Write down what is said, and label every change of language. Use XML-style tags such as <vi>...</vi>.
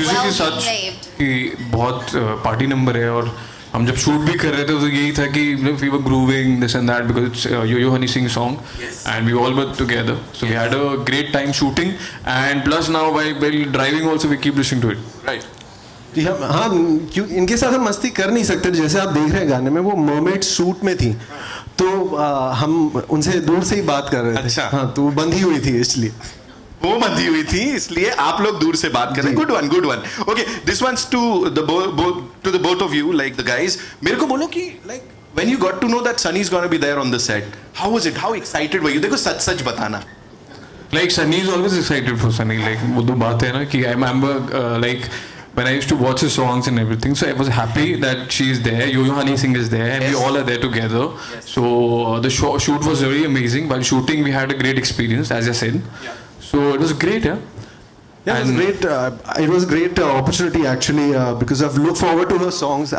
<en>well behaved. The music well is such</en> <hi>कि बहुत party number है और हम जब shoot भी कर रहे थे तो यही था कि</hi> <en>we were grooving this and that because it's Yo-Yo Honey Singh song. Yes. And we all were together, so yes. We had a great time shooting and plus now while driving also we keep listening to it. Right.</en> <hi>जी हाँ, क्यों इनके साथ हम मस्ती कर नहीं सकते. जैसे आप देख रहे हैं गाने में वो मर्मेड सूट में थी तो हम उनसे दूर से ही बात कर रहे थे. अच्छा. हाँ, तो बंधी हुई थी इसलिए. वो बंधी हुई थी इसलिए आप लोग दूर से बात कर रहे हैं. Good one, good one.</hi> <en>Okay, this one's to the both of you, like the guys.</en> <hi>मेरे को बोलो कि</hi> <en>Like when you got to know that Sunny is gonna be there on the set, how was it, how excited were you?</en> <hi>देखो सच सच बताना.</hi> <en>Like Sunny is always excited for Sunny. Like</en> <hi>वो तो बात है ना कि</hi> <en>I remember like when I used to watch his songs and everything, so I was happy that she's there, Yo-Yo Honey Singh is there, and yes. We all are there together. Yes. So the shoot was really amazing. While shooting, we had a great experience, as I said. Yeah. So it was great, yeah. Yeah, and it was great opportunity actually, because I've looked forward to her songs.</en>